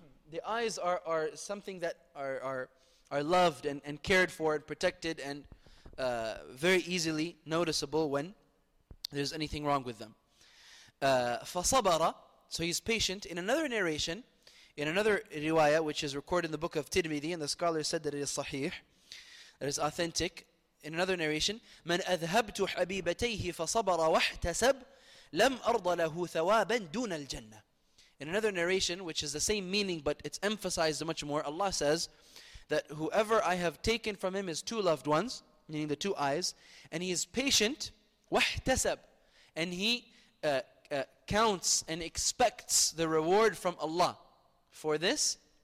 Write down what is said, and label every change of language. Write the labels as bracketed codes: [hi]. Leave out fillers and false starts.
[en] The eyes are something that are loved and cared for and protected and very easily noticeable when there's anything wrong with them. [ar] فصبر, [en] so he's patient. In another narration, in another riwayah, which is recorded in the book of Tirmidhi, and the scholar said that it is sahih, that is authentic. In another narration, [ar] من أذهبت حبيبتيه فصبر واحتسب لم أرض له ثوابا دون الجنة. [en] In another narration, which is the same meaning but it's emphasized much more, Allah says that whoever I have taken from him is two loved ones, meaning the two eyes, and he is patient, واحتسب, and he counts and expects the reward from Allah for this.